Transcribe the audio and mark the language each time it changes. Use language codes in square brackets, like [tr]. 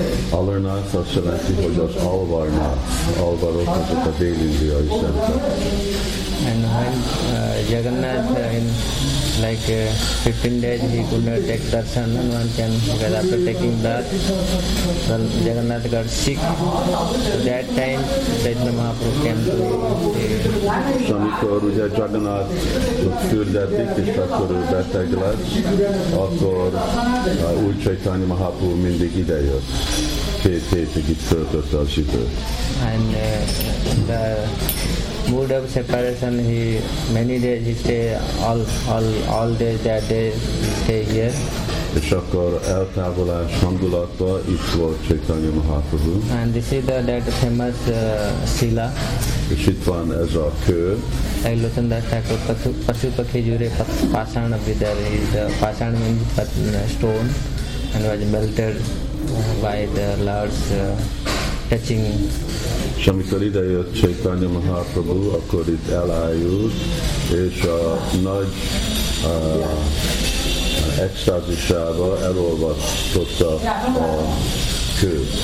[hu] Alarnath azt jelenti, hogy az Alvarnath, Alvarok azok a dél-indiai szentek. [en] And when Jagannath in like 15 days he could not take darshan, and one can, because after taking that, well, Jagannath got sick. So that time Chaitanya Mahaprabhu came to him. [hu] Amikor ugye Jagannath fürdetik, és akkor ő beteg lesz, akkor úgy Chaitanya Mahaprabhu mindig ide jött. Két hétig itt töltötte az időt. [en] And the mood of separation, he many days he stay all days, that day he stay here. [hu] És akkor eltávolás hangulata itt volt Chaitanya Mahaprabhu. [en] And this is that famous sila. [hu] És itt van ez a kő. [bn] Ailotan Das Thakur Pasupakhi Jure Pasana Vidari. [en] The Pasana means stone and was melted by the Lord's touching. [hu] És amikor ide jött Chaitanya Mahaprabhu, akkor itt elájult, és a nagy extázisába elolvasztotta a kőt.